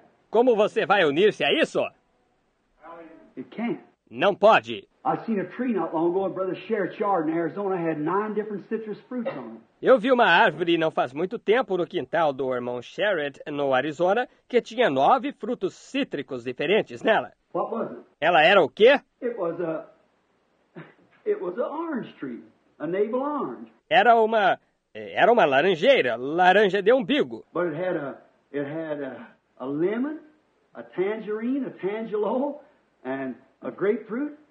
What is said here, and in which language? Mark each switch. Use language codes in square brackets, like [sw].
[pt] Como você vai unir-se a isso? [en] It can't. [pt] Não pode. [en] I seen a tree not long ago, and Brother Sherritt's yard in Arizona had 9 different citrus fruits on it. [pt] Eu vi uma árvore não faz muito tempo no quintal do irmão Sherritt, no Arizona, que tinha 9 frutos cítricos diferentes nela. [en] What was it? [pt] Ela era o quê? [en] It was an orange tree, a navel orange. [pt] Era uma laranjeira, laranja de umbigo. [en] But it had a lemon, a tangerine, a tangelo, and a grapefruit.